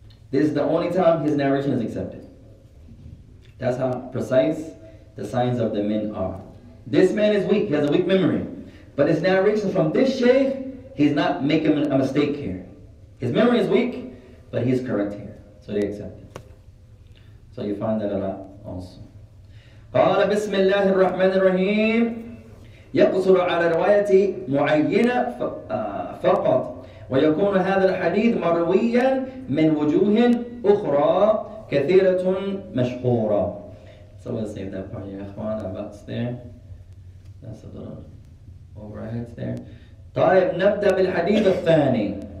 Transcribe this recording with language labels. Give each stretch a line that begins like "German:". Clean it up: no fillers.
English: This is the only time his narration is accepted. That's how precise the signs of the men are. This man is weak, he has a weak memory. But his narration from this shaykh, he's not making a mistake here. His memory is weak, but he's correct here. So they accept it. So you find that a lot also.
Arabic: قال بسم الله الرحمن الرحيم يقصر على رواية معينة فقط ويكون هذا الحديث مرويا من وجوه أخرى كثيرة مشهورة.
English: So we'll save that part, ya ikhwan, about there. That's a little overhead there.
Arabic: طيب نبدأ بالحديث الثاني.